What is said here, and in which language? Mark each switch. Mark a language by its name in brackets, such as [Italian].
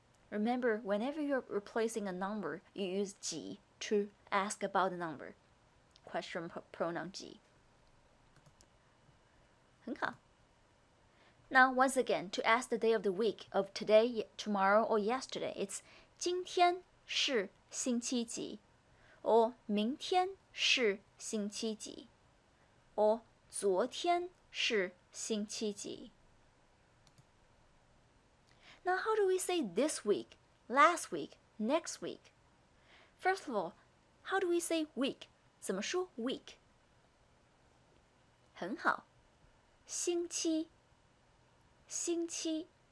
[English] Remember, whenever you're replacing a number, you use 几 to ask about the number. Question pronoun 几。 [Chinese] 很好。 [English] Now, once again, to ask the day of the week of today, tomorrow, or yesterday, it's [Chinese] 今天是星期几 or 明天是星期几 or 昨天是星期几。 [English] Now, how do we say this week, last week, next week? First of all, how do we say week? [Chinese] 怎么说 week? 很好。星期，星期。